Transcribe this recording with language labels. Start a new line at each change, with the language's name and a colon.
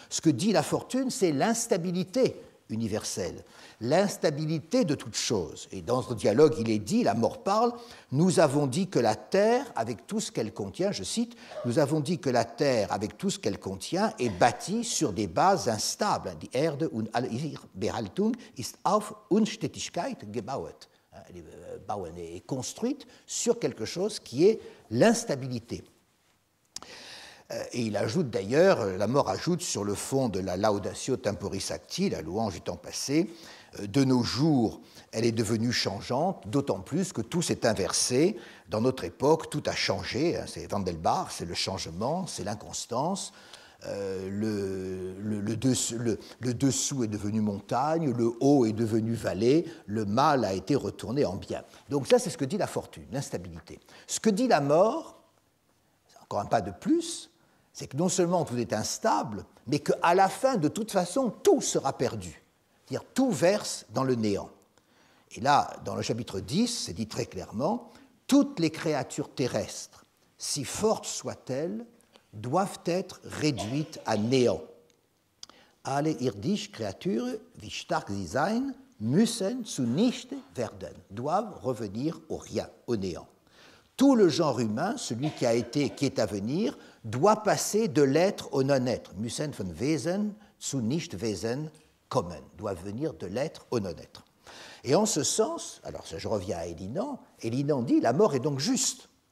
French: Ce que dit la fortune, c'est l'instabilité universelle, l'instabilité de toute chose. Et dans ce dialogue, il est dit, la mort parle, nous avons dit que la terre, avec tout ce qu'elle contient, je cite, nous avons dit que la terre, avec tout ce qu'elle contient, est bâtie sur des bases instables.
German: Die Erde und alle ihre Behaltung ist auf Unstetigkeit gebaut.
French: Elle est bauen et construite sur quelque chose qui est l'instabilité. Et il ajoute d'ailleurs, la mort ajoute sur le fond de la
Latin: laudatio temporis acti,
French: la louange du temps passé, de nos jours, elle est devenue changeante, d'autant plus que tout s'est inversé. Dans notre époque, tout a changé, c'est Wandelbar, c'est le changement, c'est l'inconstance. Le dessous est devenu montagne, le haut est devenu vallée, le mal a été retourné en bien. Donc ça, c'est ce que dit la fortune, l'instabilité. Ce que dit la mort, c'est encore un pas de plus, c'est que non seulement tout est instable, mais qu'à la fin, de toute façon, tout sera perdu. C'est-à-dire, tout verse dans le néant. Et là, dans le chapitre 10, c'est dit très clairement, « Toutes les créatures terrestres, si fortes soient-elles, doivent être réduites à néant.
German: Alle irdische Kreaturen, wie stark sie seien, müssen zunichte werden,
French: doivent revenir au rien, au néant. Tout le genre humain, celui qui a été et qui est à venir, doit passer de l'être au non-être,
German: müssen von Wesen zu Nichtwesen kommen,
French: doit venir de l'être au non-être. Et en ce sens, alors je reviens à Elinan, Elinan dit la mort est donc juste.